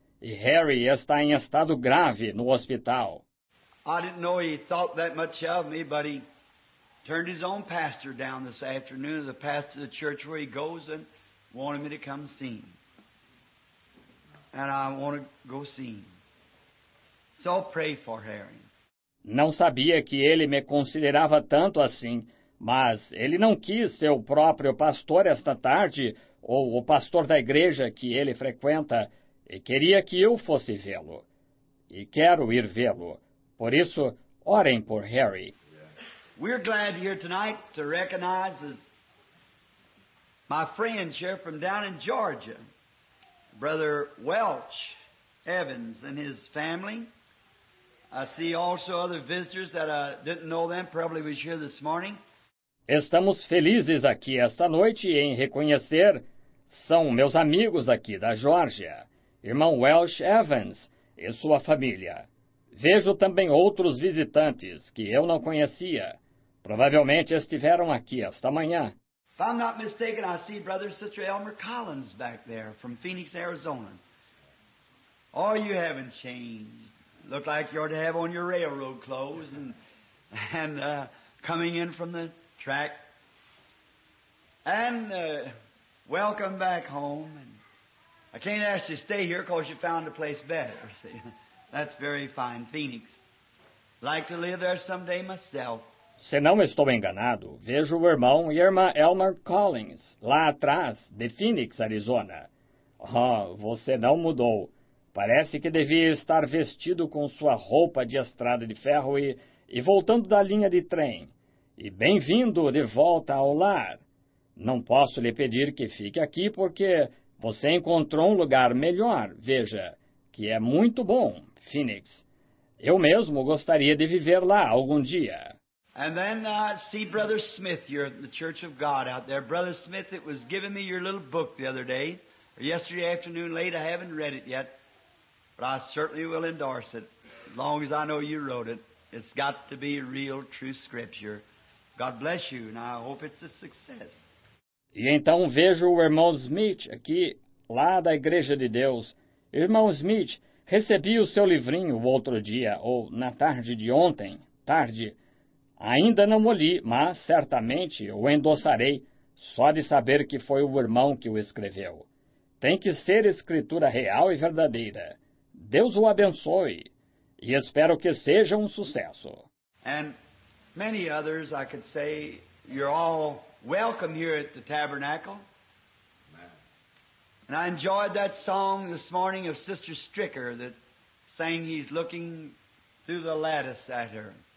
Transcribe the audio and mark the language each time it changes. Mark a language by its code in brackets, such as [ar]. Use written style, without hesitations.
[pt] E Harry está em estado grave no hospital. [en] I didn't know he thought that much of me, but he turned his own pastor down this afternoon, the pastor of the church where he goes, and wanted me to come see him. And I want to go see him. So pray for Harry. [pt] Não sabia que ele me considerava tanto assim, mas ele não quis ser o próprio pastor esta tarde, ou o pastor da igreja que ele frequenta, e queria que eu fosse vê-lo. E quero ir vê-lo. Por isso, orem por Harry. [en] We're glad here tonight to recognize my friend here from down in Georgia, Brother Welch Evans and his family. I see also other visitors that I didn't know them, probably was here this morning. [pt] Estamos felizes aqui esta noite em reconhecer são meus amigos aqui da Geórgia, irmão Welch Evans e sua família. Vejo também outros visitantes que eu não conhecia. Provavelmente estiveram aqui esta manhã. [en] If I'm not mistaken, I see Brother Sister Elmer Collins back there from Phoenix, Arizona. Oh, you haven't changed. Look like you ought to have on your railroad clothes and coming in from the track. And welcome back home. And I can't ask you to stay here because you found a place better. See? That's very fine, Phoenix. Like to live there someday myself. [pt] Se não estou enganado, vejo o irmão e a irmã Elmer Collins, lá atrás, de Phoenix, Arizona. Oh, você não mudou. Parece que devia estar vestido com sua roupa de estrada de ferro e voltando da linha de trem. E bem-vindo de volta ao lar. Não posso lhe pedir que fique aqui porque você encontrou um lugar melhor, veja, que é muito bom, Phoenix. Eu mesmo gostaria de viver lá algum dia. [en] And then I see Brother Smith here at the Church of God out there. Brother Smith, it was giving me your little book the other day, or yesterday afternoon late. I haven't read it yet, but I certainly will endorse it as long as I know you wrote it. It's got to be real, true scripture. God bless you, and I hope it's a success. [pt] E então vejo o irmão Smith aqui, lá da Igreja de Deus. Irmão Smith, Recebi o seu livrinho o outro dia, ou na tarde de ontem, tarde. Ainda não o li, mas certamente o endossarei, só de saber que foi o irmão que o escreveu. Tem que ser escritura real e verdadeira. Deus o abençoe, e espero que seja um sucesso. [en] And many others, I could say, you're all welcome here at the Tabernacle. And I enjoyed that song this morning of Sister Stricker that sang he's looking through the lattice at her.